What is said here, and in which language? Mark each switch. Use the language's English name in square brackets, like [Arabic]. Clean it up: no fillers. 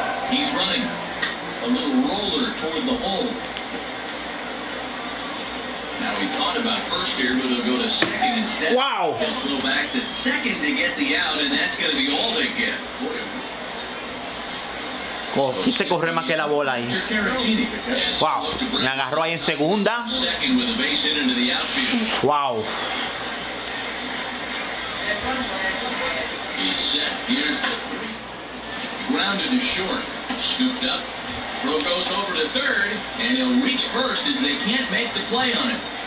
[English] He's running a little roller toward the hole. Now he thought about first here, but he'll go to second instead. Wow. He'll flow back to second to get the out, and that's going to be all they get. [Spanish] Y se corre más que la bola ahí. Wow. Me agarró ahí en segunda. [English] Second with the base hit into the outfield. Wow. He's set. Here's the three. Grounded is short. Scooped up. Bro goes over to third, and he'll reach first as they can't make the play on it.